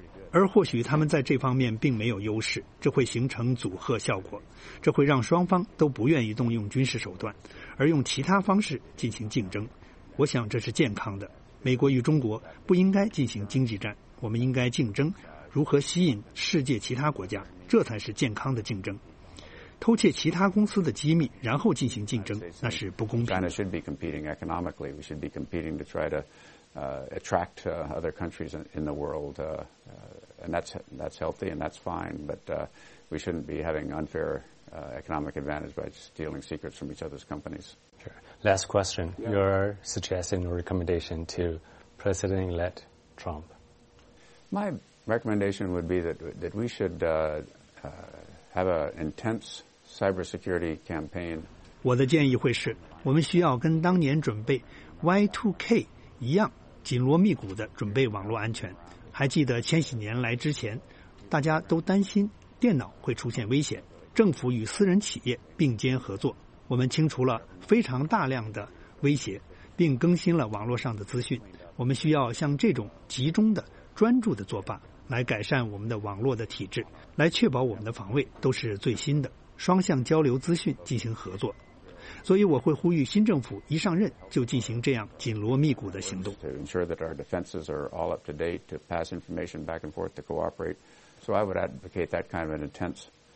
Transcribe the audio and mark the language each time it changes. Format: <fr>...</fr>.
<zh>而或许他们在这方面并没有优势，这会形成阻吓效果，这会让双方都不愿意动用军事手段，而用其他方式进行竞争。我想这是健康的。美国与中国不应该进行经济战，我们应该竞争，如何吸引世界其他国家，这才是健康的竞争。偷窃其他公司的机密，然后进行竞争，那是不公平的。</zh> <en>China should be competing economically. We should be competing to try to attract other countries in the world. And that's healthy and that's fine. But we shouldn't be having unfair economic advantage by stealing secrets from each other's companies. Sure. Last question. You're suggesting a recommendation to President-elect Trump. My recommendation would be that we should have an intense cybersecurity campaign.</en> <zh>我的建议会是，我们需要跟当年准备 Y2K 一样，紧锣密鼓地准备网络安全。还记得千禧年来之前，大家都担心电脑会出现危险，政府与私人企业并肩合作，我们清除了非常大量的威胁，并更新了网络上的资讯。我们需要像这种集中的、专注的做法，来改善我们的网络的体制，来确保我们的防卫都是最新的，双向交流资讯，进行合作。所以我会呼吁新政府一上任就进行这样紧锣密鼓的行动。</zh> <en>To ensure that our defenses are all up to date, to pass information back and forth, to cooperate. So I would advocate that kind of an intense</en>